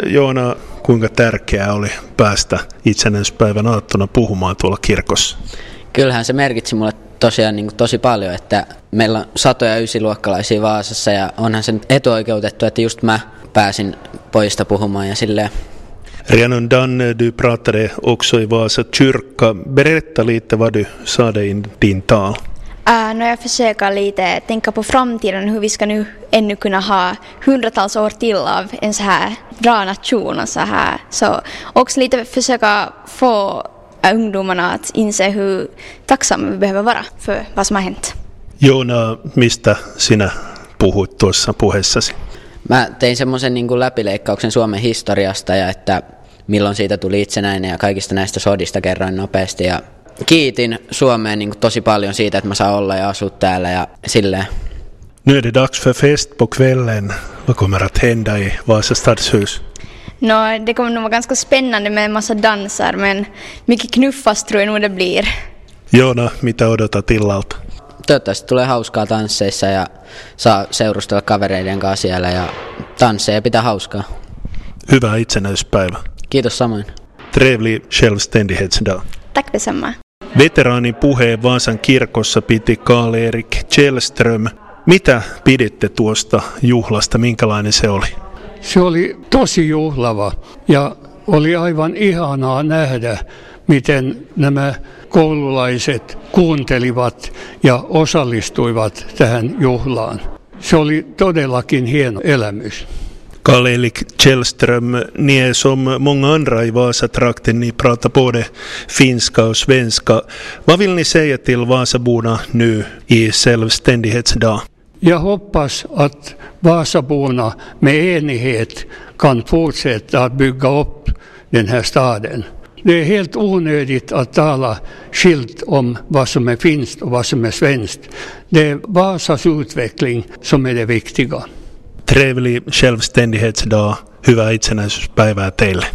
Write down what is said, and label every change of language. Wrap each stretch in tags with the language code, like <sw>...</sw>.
<fi>Joona, kuinka tärkeää oli päästä itsenäisyyspäivän aattona puhumaan tuolla kirkossa? Kyllähän se merkitsi mulle tosiaan niin kuin tosi paljon, että meillä on satoja ysiluokkalaisia Vaasassa ja onhan se etuoikeutettu, että just mä pääsin pojista puhumaan ja silleen.</fi> <sv>Rianon Dan du pratade också i Vaasa kyrka. Berätta lite vad du sade i din tal. Jag försöker lite tänka på framtiden, hur vi ska nu ännu kunna ha hundratals år till av en så här bra nation och så här. Så också lite försöka få ungdomarna att inse hur tacksamma vi behöver vara för vad som har hänt.</sv> <fi>Joona, mistä sinä puhuit tuossa puheessasi? Mä tein semmoisen niin kuin läpileikkauksen Suomen historiasta ja että milloin siitä tuli itsenäinen ja kaikista näistä sodista kerroin nopeasti ja kiitin Suomeen niin kuin tosi paljon siitä, että mä saan olla ja asua täällä ja silleen.</fi> <sv>Nu är det dags för fest på kvällen. Vad kommer att hända i Vasa stadshus? No, det kommer nog vara ganska spännande med en massa dansar, men mycket knuffas tror jag nog det blir.</sv> <fi>Joona, mitä odotat illalta? Toivottavasti tulee hauskaa tansseissa ja saa seurustella kavereiden kanssa siellä ja tansseja pitää hauskaa. Hyvää itsenäisyyspäivää. Kiitos samoin.</fi> <sv>Trevlig självständighetsdag. Tack detsamma.</sv> <fi>Veteraanin puheen Vaasan kirkossa piti Karl-Erik Källström. Mitä piditte tuosta juhlasta? Minkälainen se oli? Se oli tosi juhlava ja oli aivan ihanaa nähdä, miten nämä koululaiset kuuntelivat ja osallistuivat tähän juhlaan. Se oli todellakin hieno elämys.</fi> <sv>Karl-Erik Källström, ni är som många andra i Vasa-trakten, ni pratar både finska och svenska. Vad vill ni säga till Vasabuna nu i självständighetsdag? Jag hoppas att Vasabuna med enighet kan fortsätta att bygga upp den här staden. Det är helt onödigt att tala skilt om vad som är finskt och vad som är svenskt. Det är Vasas utveckling som är det viktiga. Trevlig självständighetsdag.</sv> <fi>Hyvää itsenäisyyspäivää teille.</fi>